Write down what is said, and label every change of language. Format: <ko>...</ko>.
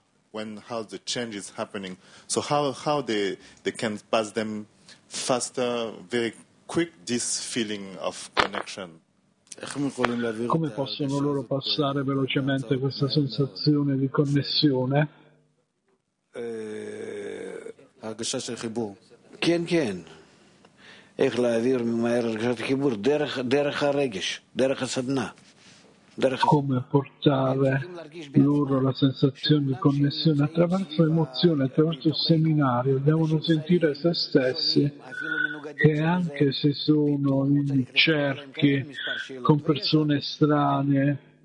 <en>When how the change is happening, so how they can pass them faster, very quick, this feeling of connection.</en> <it>Come possono loro passare velocemente questa sensazione di connessione?</it> <he>הרגשה של חיבור. כן כן. איך להעביר ממהר הרגשת חיבור דרך הרגש, דרך הסדנה.</he> <it>Come portare loro la sensazione di connessione attraverso l'emozione, attraverso il seminario. Devono sentire se stessi, che anche se sono in cerchi con persone strane,</it>